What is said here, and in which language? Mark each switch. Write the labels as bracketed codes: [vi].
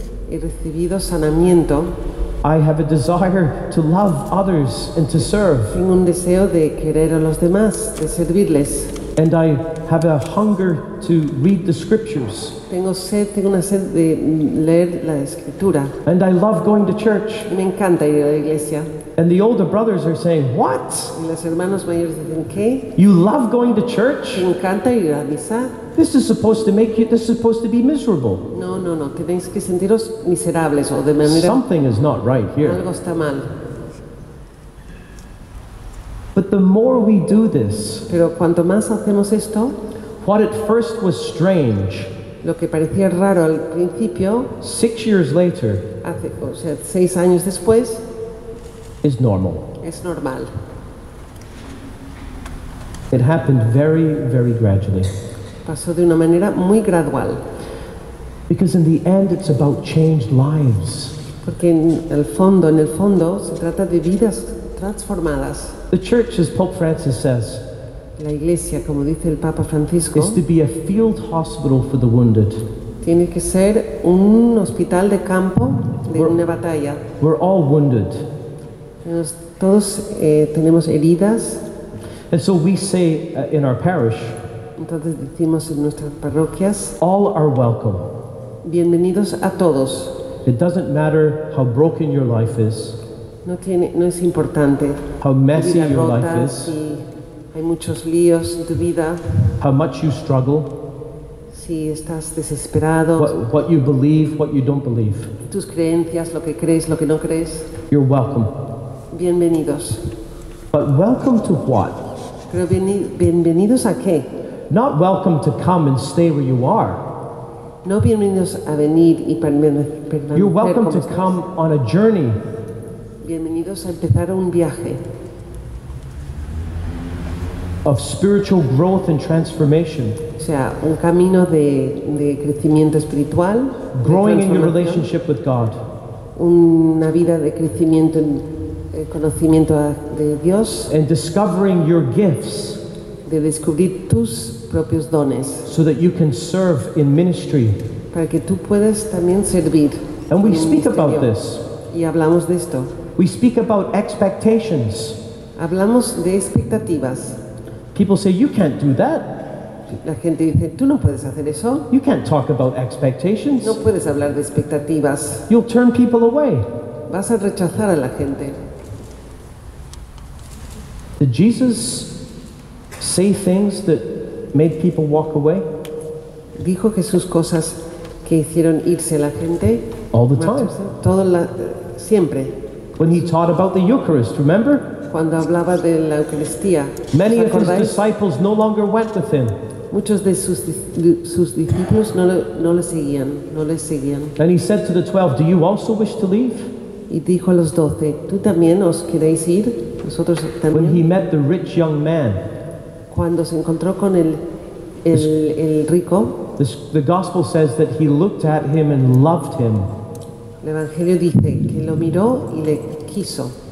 [es] He recibido sanamiento. [en] I have a desire to love others and to serve. [es] Tengo un deseo de querer a los demás, de servirles. [en] And I have a hunger to read the scriptures. [es] Tengo una sed de leer la escritura. [en] And I love going to church. [es] Me encanta ir a la iglesia. [en] And the older brothers are saying, "What?" [es] Y los hermanos mayores dicen, ¿qué? [en] You love going to church? [es] Me encanta ir a misa. [en] This is supposed to make you, this is supposed to be miserable. [es] No, tenéis que sentiros miserables o de manera. [en] Something is not right here. [es] Algo está mal. [en] But the more we do this, [es] pero cuanto más hacemos esto, [en] what at first was strange, [es] lo que parecía raro al principio, [en] 6 years later, [es] hace, o sea, 6 años después, [en] is normal. [es] Es normal. [en] It happened very, very gradually. [es] Pasó de una manera muy gradual. [en] Because in the end, it's about changed lives. [es] Porque en el fondo, se trata de vidas transformadas. [en] The church, as Pope Francis says, [es] la iglesia, como dice el Papa Francisco, [en] is to be a field hospital for the wounded. [es] Tiene que ser un hospital de campo de una batalla. [en] We're all wounded. [es] Todos tenemos heridas. [en] And so we say in our parish, [es] entonces decimos en nuestras parroquias, [en] all are welcome. [es] Bienvenidos a todos. [en] It doesn't matter how broken your life is. [es] No es importante. [en] How messy your life is. [es] Hay muchos líos en tu vida. [en] How much you struggle. [es] Si estás desesperado. [en] What you believe, what you don't believe. [es] Tus creencias, lo que crees, lo que no crees. [en] You're welcome. [es] Bienvenidos. [en] But welcome to what? [es] Pero bienvenidos a qué? [en] Not welcome to come and stay where you are. [es] No bienvenidos a venir y permanecer. [en] You're welcome to come on a journey. [es] Bienvenidos a empezar un viaje. [en] Of spiritual growth and transformation. [es] O sea, un camino de crecimiento espiritual. [en] Growing in your relationship with God. [es] Una vida de crecimiento en el conocimiento de Dios. [en] And discovering your gifts. [es] De descubrir tus propios dones. [en] So that you can serve in ministry. [es] Para que tú puedas también servir. [en] And we speak about this. [es] Y hablamos de esto. [en] We speak about expectations. [es] Hablamos de expectativas. [en] People say, you can't do that. [es] La gente dice, tú no puedes hacer eso. [en] You can't talk about expectations. [es] No puedes hablar de expectativas. [en] You'll turn people away. [es] Vas a rechazar a la gente. [en] Did Jesus say things that made people walk away? [es] Dijo Jesús cosas que hicieron irse a la gente. [en] All the time. [es] Siempre. [en] When he taught about the Eucharist, remember? [es] Cuando hablaba de la Eucaristía. [en] Many of his disciples no longer went with him. [es] Muchos de sus discípulos no le seguían. [en] And he said to the 12, "Do you also wish to leave?" [es] Y dijo a los 12, ¿tú también os queréis ir? Nosotros también. [en] When he met the rich young man. [es] Cuando se encontró con el rico. [en] The gospel says that he looked at him and loved him. [es] El Evangelio dice que lo miró y le quiso.